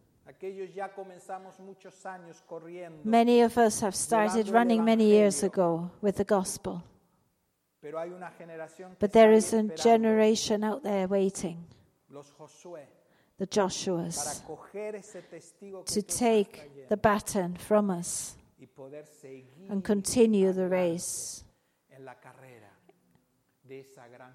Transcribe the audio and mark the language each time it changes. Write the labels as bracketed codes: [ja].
[es] Aquellos ya comenzamos muchos años corriendo. [en] Many of us have started running many years ago with the gospel. [es] Pero hay una generación que [en] there is a generation out there waiting. [es] Los Josué. [en] The Joshuas. [es] Para coger ese testigo que [en] to take the baton from us. [es] Y poder seguir [en] and continue the race. [es] En la carrera de esa gran